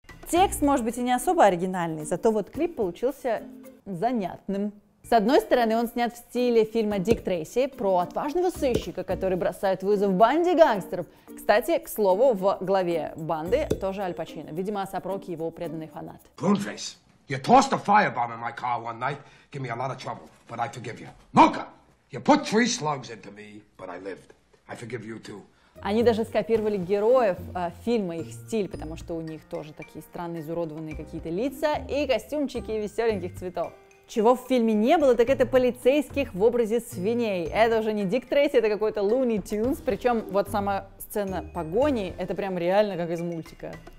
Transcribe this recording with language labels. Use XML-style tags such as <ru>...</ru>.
<ru>Текст, может быть, и не особо оригинальный, зато вот клип получился занятным. С одной стороны, он снят в стиле фильма «Дик Трейси» про отважного сыщика, который бросает вызов банде гангстеров. Кстати, к слову, в главе банды тоже Аль Пачино. Видимо, ASAP Rocky его преданный фанат.</ru> <en>Moonface, you tossed a firebomb in my car one night, give me a lot of trouble, but I forgive you. Mocha, you put 3 slugs into me, but I lived. I forgive you too.</en> <ru>Они даже скопировали героев фильма, их стиль, потому что у них тоже такие странные, изуродованные какие-то лица и костюмчики веселеньких цветов. Чего в фильме не было, так это полицейских в образе свиней. Это уже не Дик Трейси, это какой-то Луни Тюнс, причем вот сама сцена погони, это прям реально как из мультика.</ru>